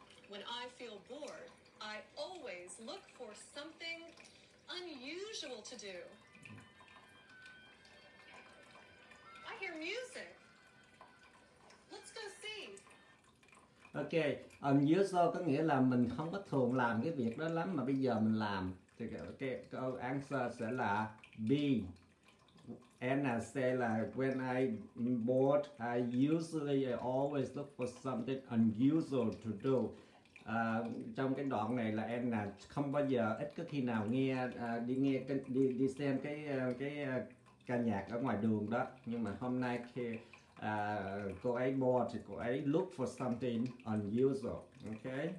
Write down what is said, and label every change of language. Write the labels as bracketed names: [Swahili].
[English] When I feel bored, I always look for something unusual to do. I hear music. Let's go see. [Vietnamese] Ok, unusual có nghĩa là mình không có thường làm cái việc đó lắm mà bây giờ mình làm. Thì ok, câu answer sẽ là B. [English] Anna say là when I'm bored, I usually always look for something unusual to do. [Vietnamese] Trong cái đoạn này là Anna không bao giờ, ít có khi nào nghe, đi xem cái ca nhạc ở ngoài đường đó. Nhưng mà hôm nay khi cô ấy bored thì cô ấy look for something unusual. Ok.